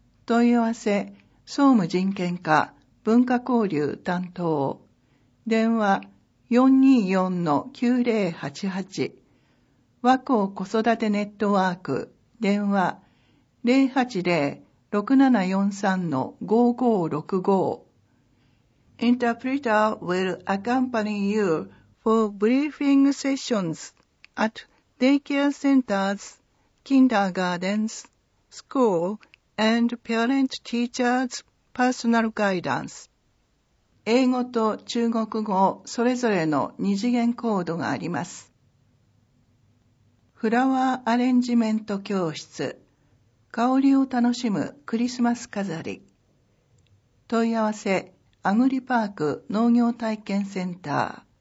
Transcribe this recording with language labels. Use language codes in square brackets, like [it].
[ja] 問い合わせ、総務人権課、文化交流担当、電話 424-9088、和光子育てネットワーク、電話 080-6743-5565。 [en] Interpreter will accompany you for briefing sessions at daycare centers, kindergartens, school, and parent-teachers personal guidance. [ja] 英語と中国語それぞれの二次元コードがあります。フラワーアレンジメント教室、香りを楽しむクリスマス飾り。問い合わせ、アグリパーク農業体験センター。